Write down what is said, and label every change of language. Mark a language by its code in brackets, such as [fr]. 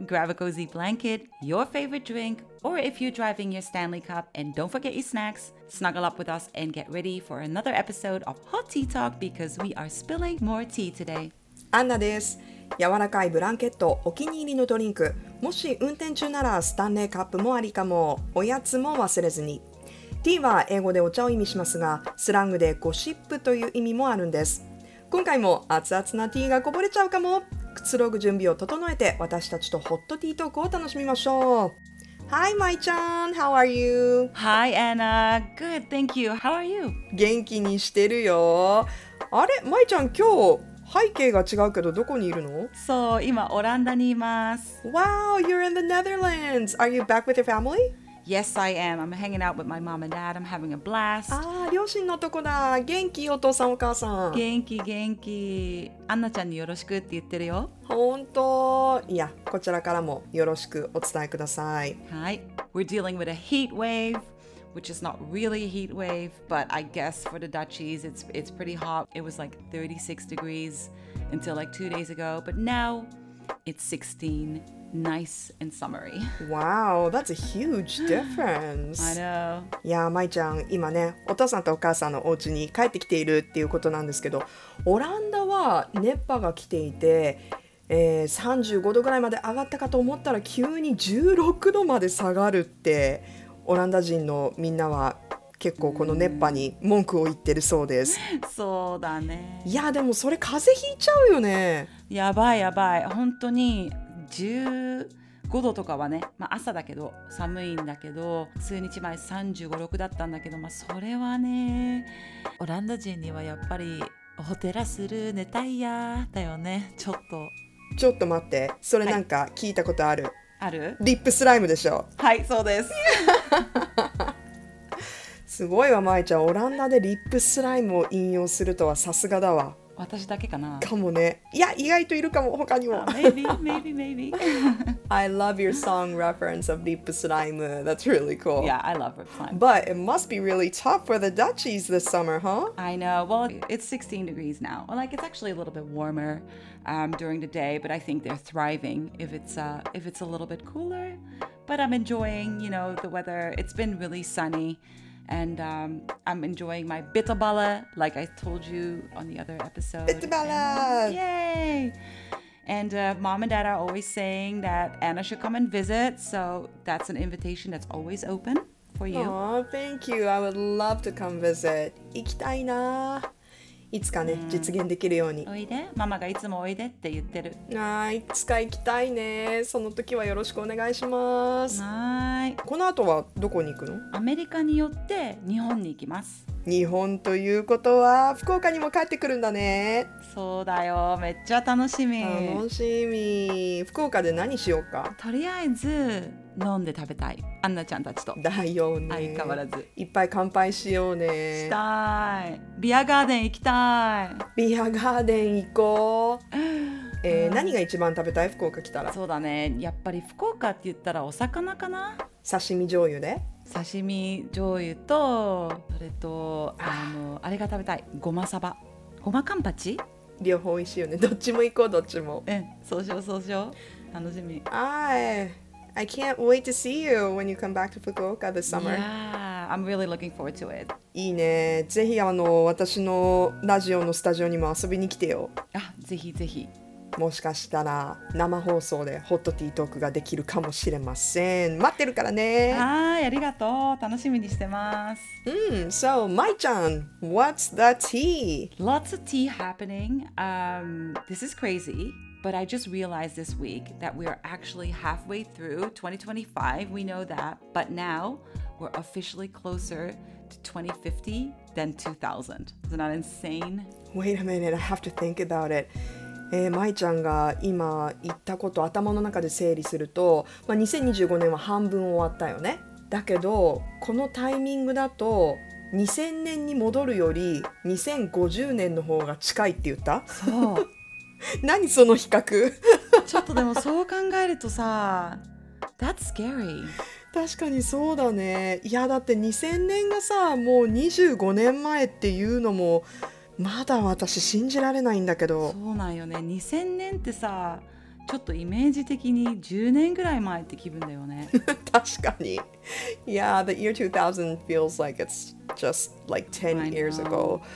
[en] Grab a cozy blanket, your favorite drink, or if you're driving your Stanley Cup and don't forget your snacks, snuggle up with us and get ready for another episode of Hot Tea Talk because we are spilling more tea today. [ja] アンナです。柔らかいブランケット、お気に入りのドリンク、もし運転中ならスタンレーカップもありかも、おやつも忘れずに。ティーは英語でお茶を意味しますが、スラングでゴシップという意味もあるんです。今回も熱々なティーがこぼれちゃうかも。くつろぐ準備を整えて私たちとホットティートークを楽しみましょう。 [en] Hi, Mai chan. How are you? Hi, Anna. Good, thank you. How are you? [ja] 元気にしてるよ。あれ、Mai chan, 今日背景が違うけどどこにいるの？そう、今オランダにいます。 [en] Wow, you're in the Netherlands. Are you back with your family? Yes, I am. I'm hanging out with my mom and dad. I'm having a blast. [ja] ああ、両親のとこだ。元気、お父さん、お母さん。元気、元気。アンナちゃんによろしくって言ってるよ。本当。いや、こちらからもよろしくお伝えください。はい。 [en] We're dealing with a heat wave, which is not really a heat wave, but I guess for the Dutchies, it's pretty hot. It was like 36 degrees until like 2 days ago, but now it's 16. Nice and summery. Wow, that's a huge difference. I know. [ja] Yeah, Mai ちゃん、今ね、お父さんとお母さんのお家に帰ってきているっていうことなんですけど、オランダは熱波が来ていて、35度ぐらいまで上がったかと思ったら急に16度まで下がるって、オランダ人のみんなは結構この熱波に文句を言ってるそうです。そうだね。いや、でもそれ風邪ひいちゃうよね。やばいやばい、本当に。 15度とかはね、まあ、朝だけど寒いんだけど、数日前35、6だったんだけど、まあ、それはね、オランダ人にはやっぱりお寺する寝たいやだよね。ちょっと待って、それなんか聞いたことある、はい、ある？リップスライムでしょ。はい、そうです。すごいわ、まいちゃん、オランダでリップスライムを引用するとはさすがだわ。私だけかな。かもね。いや、意外といるかも、他にも。 [en] Maybe. I love your song reference of Lip Slime. That's really cool. Yeah, I love Lip Slime. But it must be really tough for the Dutchies this summer, huh? I know. Well, it's 16 degrees now. Well, like, it's actually a little bit warmer during the day, but I think they're thriving if it's a little bit cooler. But I'm enjoying, you know, the weather. It's been really sunny. And I'm enjoying my bitterballe, like I told you on the other episode. Bitterballe! Yay! And mom and dad are always saying that Anna should come and visit. So that's an invitation that's always open for you. Oh, thank you. I would love to come visit. [ja] 行きたいな。いつかね、実現できるように。おいで。ママがいつもおいでって言ってる。はい。いつか行きたいね。その時はよろしくお願いします。はい。この後はどこに行くの？アメリカによって日本に行きます。日本ということは福岡にも帰ってくるんだね。そうだよ。めっちゃ楽しみ。楽しみ。福岡で何しようか。とりあえず飲んで食べたい。アンナちゃんたちと。だよね。相変わらず。いっぱい乾杯しようね。したい。ビアガーデン行きたい。ビアガーデン行こう。何が一番食べたい？福岡来たら。そうだね。やっぱり福岡って言ったらお魚かな。刺身醤油で。刺身醤油と、それと あれが食べたい。ごまサバ。ごまカンパチ？両方美味しいよね。どっちも行こう、どっちも。うん、そうしよう、そうしよう。楽しみ。はい。 [en] I can't wait to see you when you come back to Fukuoka this summer. Yeah, I'm really looking forward to it. [ja] いいね。ぜひ私のラジオのスタジオにも遊びに来てよ。あ、ぜひぜひ。もしかしたら生放送でホットティートークができるかもしれません。待ってるからね。はい、ありがとう。楽しみにしてます。 [en] So, Mai ちゃん、what's the tea? Lots of tea happening. This is crazy. But I just realized this week that we are actually halfway through 2025. We know that. But now we're officially closer to 2050 than 2000. Isn't that insane? Wait a minute. I have to think about it. [ja] Mai ちゃんが今言ったことを頭の中で整理すると、まあ、2025年は半分終わったよね。だけど、このタイミングだと2000年に戻るより2050年の方が近いって言った？そう。何その比較。ちょっとでもそう考えるとさ、 [en] That's scary。 [ja] 確かにそうだね。いやだって2000年がさ、もう25年前っていうのもまだ私信じられないんだけど。そうなんよね。2000年ってさ、ちょっとイメージ的に10年ぐらい前って気分だよね。確かに。 [en] Yeah, the year 2000 feels like it's just like 10 years ago.